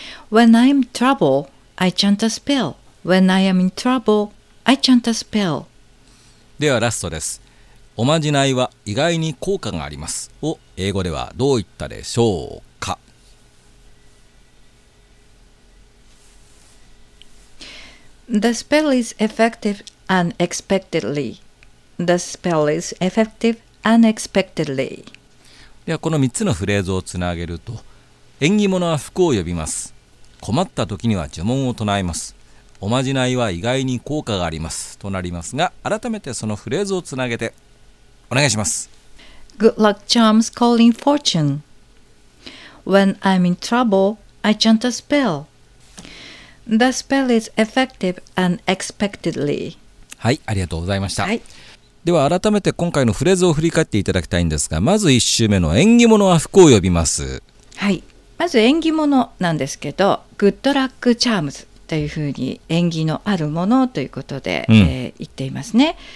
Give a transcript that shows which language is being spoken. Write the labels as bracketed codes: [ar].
[en] When I am in trouble, I chant a spell. When I am in trouble, I chant a spell. [ja] ではラストです。おまじないは意外に効果がありますを英語ではどう言ったでしょうか？ [en] The spell is effective unexpectedly. The spell is effective unexpectedly. [ja] ではこの3つのフレーズをつなげると、縁起物は福を呼びます、困った時には呪文を唱えます、おまじないは意外に効果がありますとなりますが、改めてそのフレーズをつなげてお願いします。 [en] Good luck charms calling fortune. When I'm in trouble, I chant a spellThe spell is effective unexpectedly. [ja] はい、ありがとうございました、はい、では改めて今回のフレーズを振り返っていただきたいんですが、まず1週目の縁起物は福を呼びます。はい、まず縁起物なんですけど、グッドラックチャームズというふうに縁起のあるものということで、言っていますね。